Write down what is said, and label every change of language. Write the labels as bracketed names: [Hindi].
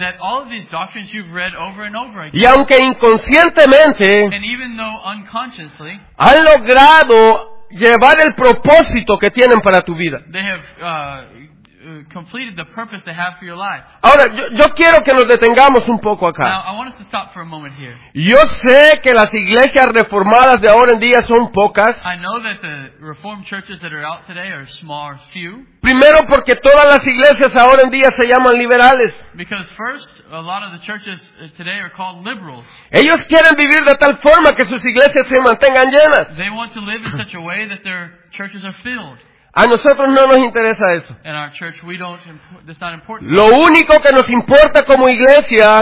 [English] That all of these doctrines you've read over and over again. [Spanish] Y aunque inconscientemente, [English] and even though unconsciously, [Spanish] han logrado llevar el propósito que tienen para tu vida. [English] They have completed the purpose they have for your life. [Spanish] Ahora, yo quiero que nos detengamos un poco acá. [English] Now, I want us to stop for a moment here. [Spanish] Yo sé que las iglesias reformadas de ahora en día son pocas. [English] I know that the reformed churches that are out today are small or few. [Spanish] Primero porque todas las iglesias ahora en día se llaman liberales. [English] Because first, a lot of the churches today are called liberals. [Spanish] Ellos quieren vivir de tal forma que sus iglesias se mantengan llenas. [English] They want to live in such a way that their churches are filled. [Spanish] A nosotros no nos interesa eso. [English] In our church, we don't, that's not important. [Spanish] Lo único que nos importa como iglesia,